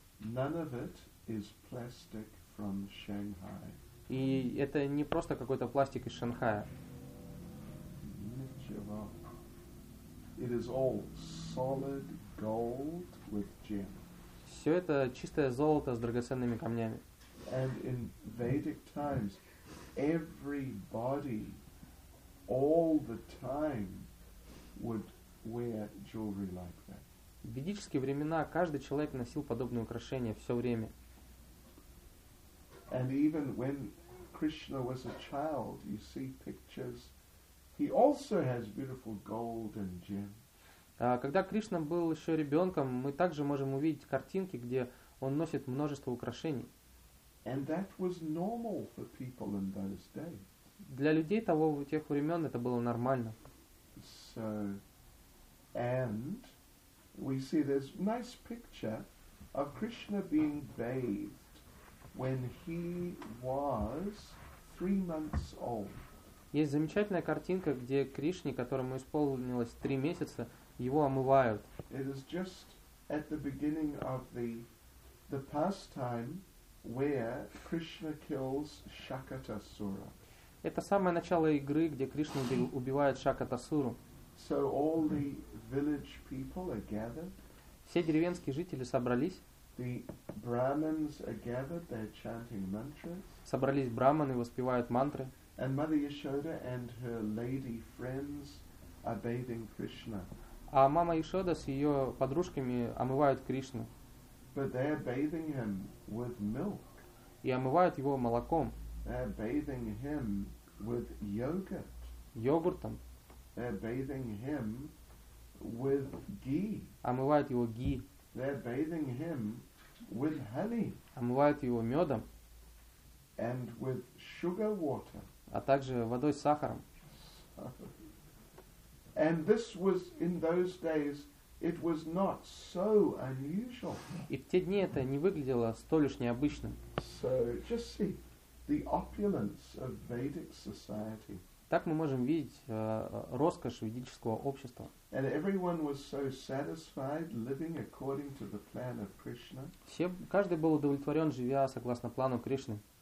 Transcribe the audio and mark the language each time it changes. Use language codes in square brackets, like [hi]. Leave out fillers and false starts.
[en] None of it is plastic from Shanghai. [ru] И это не просто какой-то пластик из Шанхая. Ничего. [en] It is all solid gold with gems. [ru] Все это чистое золото с драгоценными камнями. [en] And in Vedic times, everybody, all the time, would wear jewelry like that. [ru] В ведические времена каждый человек носил подобные украшения все время. [en] And even when Krishna was a child, you see pictures. He also has beautiful gold and gems. [ru] Когда Кришна был еще ребенком, мы также можем увидеть картинки, где он носит множество украшений. [en] And that was normal for people in those days. [ru] Для людей того в тех времен это было нормально. [en] So, and we see this nice picture of Krishna being bathed when he was 3 months old. [ru] Есть замечательная картинка, где Кришне, которому исполнилось 3 месяца, его омывают. [en] It is just at the beginning of the pastime where Krishna kills Shakatasura. [ru] Это самое начало игры, где Кришна убивает Шакатасуру. [en] So all the village people are gathered. [ru] Все деревенские жители собрались. [en] The brahmins are gathered, they're chanting mantras. [ru] Собрались брахманы, воспевают мантры. [en] And Mother Yashoda and her lady friends are bathing Krishna. [ru] А мама Яшода с ее подружками омывают Кришну. [en] But they are bathing him with milk. [ru] И омывают его молоком. [en] They are bathing him with yogurt. [ru] Йогуртом. [en] They are bathing him with ghee. [ru] Омывают его ги. [en] They are bathing him with honey. [ru] Омывают его медом. [en] And with sugar water. [ru] А также водой с сахаром. [en] And this was in those days, it was not so unusual. [ru] И в те дни это не выглядело столь уж необычным. [en] So just see the opulence of Vedic society. [ru] Так мы можем видеть роскошь ведического общества. [en] And everyone was so satisfied living according to the plan of Krishna. [ru] Все, каждый был удовлетворен, живя согласно плану Кришны.